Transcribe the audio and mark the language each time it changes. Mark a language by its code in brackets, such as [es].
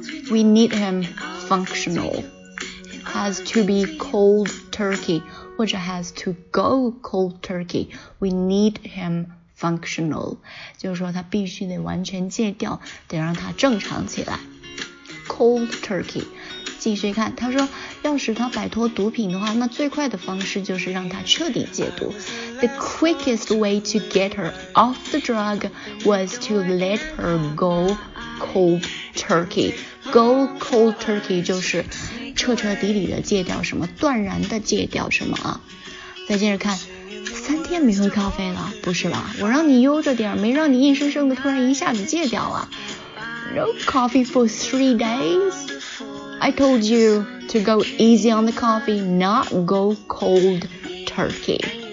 [en] We need him functional. Has to be cold turkey, [zh] 或者 [en] has to go cold turkey. We need him functional. [zh] 就是说他必须得完全戒掉，得让他正常起来。 [en] Cold turkey. [zh] 继续看，他说要使他摆脱毒品的话，那最快的方式就是让他彻底戒毒。 [en] The quickest way to get her off the drug was to let her go cold turkey. [zh] Go cold turkey 就是彻彻底底的戒掉什么，断然的戒掉什么啊。再接着看，三天没喝咖啡了，不是吧，我让你悠着点，没让你硬生生的突然一下子戒掉啊。 [en] No coffee for 3 days. I told you to go easy on the coffee, not go cold turkey.